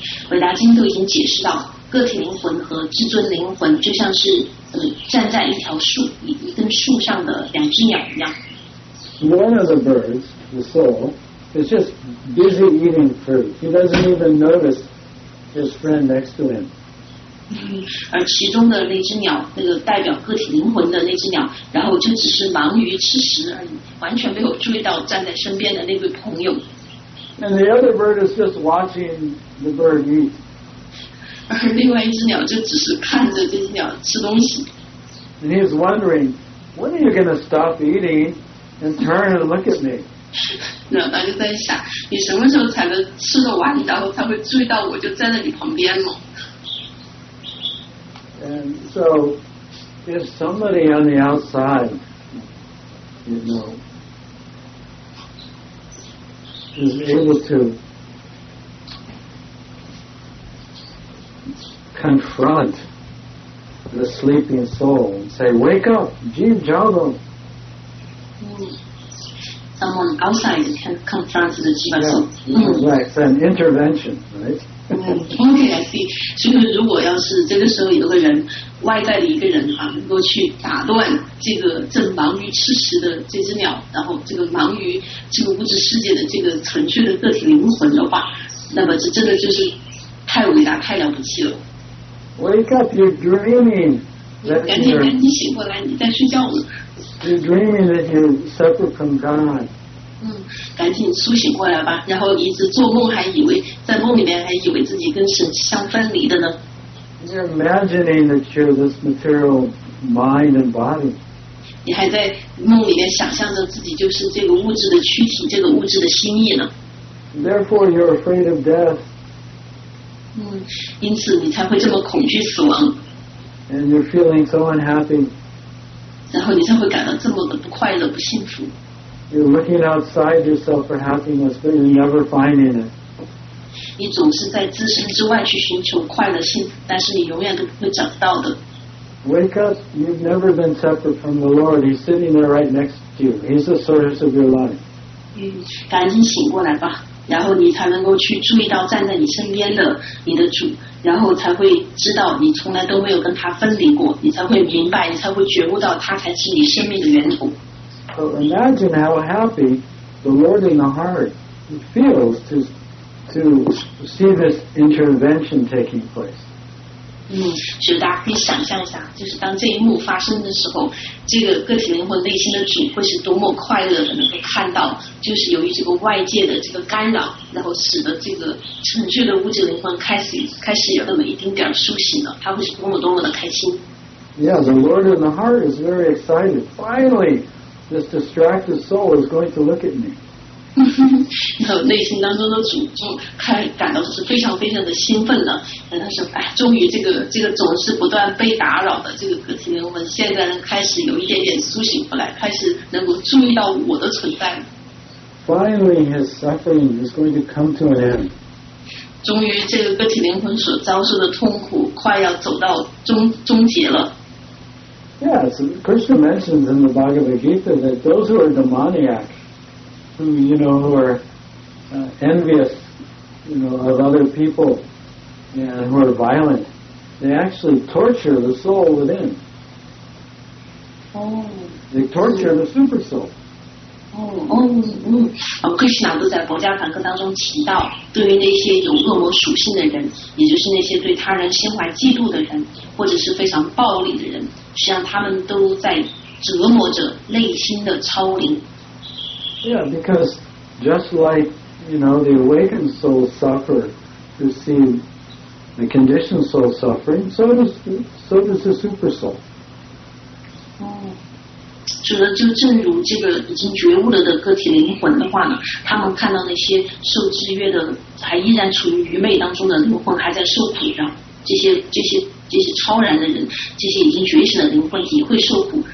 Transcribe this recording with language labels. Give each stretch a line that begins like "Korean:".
Chinese: 维达金都已经解释到，个体灵魂和至尊灵魂就像是站在一条树一根树上的两只鸟一样。
English: One of the birds, the soul, is just busy eating fruit. He doesn't even notice his friend next to him.
Chinese: 而其中的那只鸟，那个代表个体灵魂的那只鸟，然后就只是忙于吃食而已。完全没有注意到站在身边的那位朋友。
English: And the other bird is just watching the bird eat.
Chinese: 而另外一只鸟就只是看着这只鸟吃东西。
English: And he's wondering, when are you going to stop eating and turn and look at me?
Chinese: 那他就在想，你什么时候才能吃得完，然后才会注意到我就站在你旁边吗？
English: And so, if somebody on the outside,you know, is able to confront the sleeping soul and say, wake up,
Hindi: Jeev Jago.
English: Someone outside can confront the Jeeva soul. Yeah, it's an intervention, right? Okay, I see.
Chinese: 所以如果要是这个时候有个人外在的一个人啊，能够去打断这个正忙于吃食的这只鸟，然后这个忙于这个物质世界的这个纯粹的个体灵魂的话，那么这真的就是太伟大太了不起了。
English: Wake up, you're dreaming.
Chinese: 赶紧醒过来，你在睡觉呢。
English: You're dreaming that you're separate from God.
Chinese: 赶紧苏醒过来吧，然后一直做梦，还以为在梦里面还以为自己跟神相分离的呢。
English: You're imagining that you're this material mind and body.
Chinese: 你还在梦里面想象着自己就是这个物质的躯体，这个物质的心意呢。
English: Therefore, you're afraid of death.
Chinese: 因此你才会这么恐惧死亡。
English: and you're feeling so unhappy.
Chinese: 然后你才会感到这么的不快乐不幸福。
English: You're looking outside yourself for happiness, but you're never finding it.
Chinese: 你总是在自身之外去寻求快乐幸福，但是你永远都不会找到的。
English: Wake up, you've never been separate from the Lord. He's sitting there right next to you. He's the source of your life.
Chinese: 赶紧醒过来吧，然后你才能够去注意到站在你身边的你的主，然后才会知道你从来都没有跟他分离过，你才会明白，你才会觉悟到他才是你生命的源头。
English: So imagine how happy the Lord in the heart feels to see this intervention taking place.
Chinese: 所以大家可以想象一下，就是当这一幕发生的时候，这个个体灵魂内心的主会是多么快乐的能够看到，就是由于这个外界的这个干扰，然后使得这个沉睡的物质灵魂开始有那么一丁点苏醒了，他会是多么多么的开心。
English: Yeah, the Lord in the heart is very excited. Finally. This distracted soul is going to look at me.
Chinese: 内心当中的主就开感到是非常非常的兴奋的，他说：“哎，终于这个总是不断被打扰的这个个体灵魂，现在开始有一点点苏醒过来，开始能够注意到我的存在。”
English: Finally, his suffering is going to come to an end.
Chinese: 终于，这个个体灵魂所遭受的痛苦快要走到终结了。
English: Yeah, so Krishna mentions in the Bhagavad Gita that those who are demoniac, who, you know, who are envious, you know, of other people, and who are violent, they actually torture the soul within. Oh. They torture the super soul.
Chinese: Krishna 都在佛家梵歌当中提到，对于那些有恶魔属性的人，也就是那些对他人心怀嫉妒的人，或者是非常暴力的人，实际上他们都在折磨着内心的超灵。
English: Yeah, because just like, you know, the awakened soul suffer to see the conditioned soul suffering, so does the super soul.
Chinese: 除了就正如这个已经觉悟了的个体灵魂的话呢，他们看到那些受制约的还依然处于愚昧当中的灵魂还在受苦上，这些超然的人，这些已经觉醒的灵魂也会受苦。